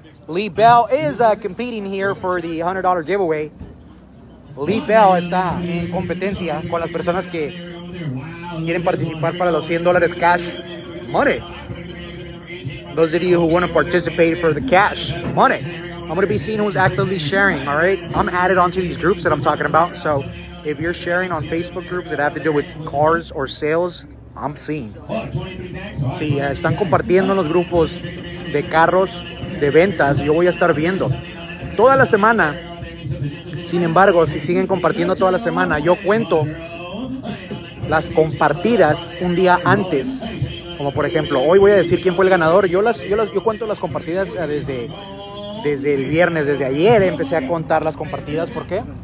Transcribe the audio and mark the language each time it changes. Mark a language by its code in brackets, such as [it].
[en] Lee Bell is competing here for the $100 giveaway. [es] Lee Bell está en competencia con las personas que quieren participar para los $100 [en] cash money. Those of you who want to participate for the cash money, I'm going to be seeing who's actively sharing, all right? I'm added onto these groups that I'm talking about. So if you're sharing on Facebook groups that have to do with cars or sales, I'm seeing. [es] Si están compartiendo en los grupos de carros, de ventas, yo voy a estar viendo toda la semana. Sin embargo, si siguen compartiendo toda la semana, yo cuento las compartidas un día antes. Como por ejemplo, hoy voy a decir quién fue el ganador. Yo cuento las compartidas desde el viernes, desde ayer empecé a contar las compartidas. ¿Por qué?